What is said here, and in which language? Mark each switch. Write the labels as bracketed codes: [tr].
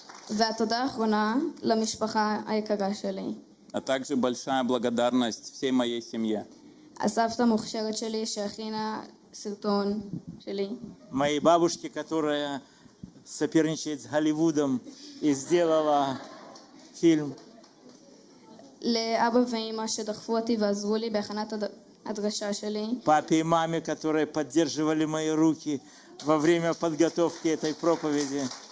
[he] והתודה האחרונה למשפחה היקרה שלי. [ru] А также большая благодарность всей моей семье. [he] הסבתא המוכשרת שלי שהכינה סרטון שלי. [ru] Моей бабушке, которая соперничает с Голливудом и сделала фильм. [he] לאבא ואמא שדחפו אותי ועזרו לי בהכנת הדרשה שלי. [ru] Папе и маме, которые поддерживали мои руки во время подготовки этой проповеди.